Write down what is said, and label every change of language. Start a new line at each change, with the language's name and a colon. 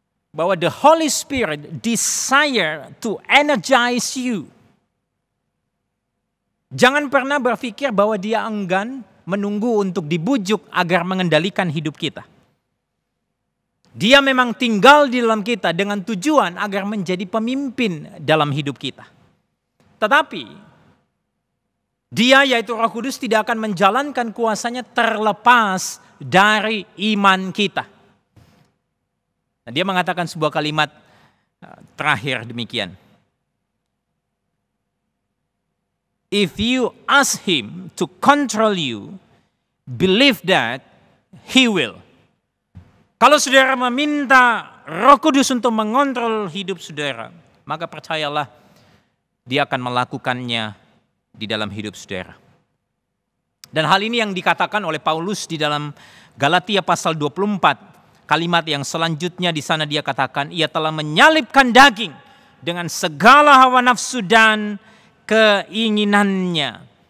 English: Bahwa the Holy Spirit desire to energize you.
Indonesian: Jangan pernah berpikir bahwa dia enggan menunggu untuk dibujuk agar mengendalikan hidup kita. Dia memang tinggal di dalam kita dengan tujuan agar menjadi pemimpin dalam hidup kita. Tetapi, dia yaitu Roh Kudus tidak akan menjalankan kuasanya terlepas dari iman kita. Nah, dia mengatakan sebuah kalimat terakhir demikian.
English: If you ask him to control you, believe that he will.
Indonesian: Kalau saudara meminta Roh Kudus untuk mengontrol hidup saudara, maka percayalah dia akan melakukannya di dalam hidup saudara. Dan hal ini yang dikatakan oleh Paulus di dalam Galatia pasal 24, kalimat yang selanjutnya di sana dia katakan, ia telah menyalibkan daging dengan segala hawa nafsu dan keinginannya.